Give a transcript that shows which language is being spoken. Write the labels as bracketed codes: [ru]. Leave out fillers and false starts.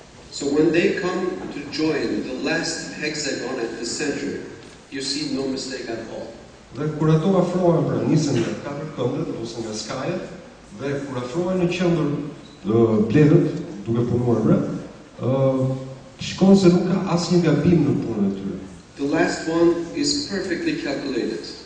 [en] So when they come to join the last hexagon at the center, you see no mistake at all. [sq] Dhe kur ato afrohen pra nisen nga katër këmbët ose nga skajet dhe kur afrohen në qendër bletët duke punuar pra, shikon se nuk ka asnjë gabim në punën e tyre. [en] The last one is perfectly calculated.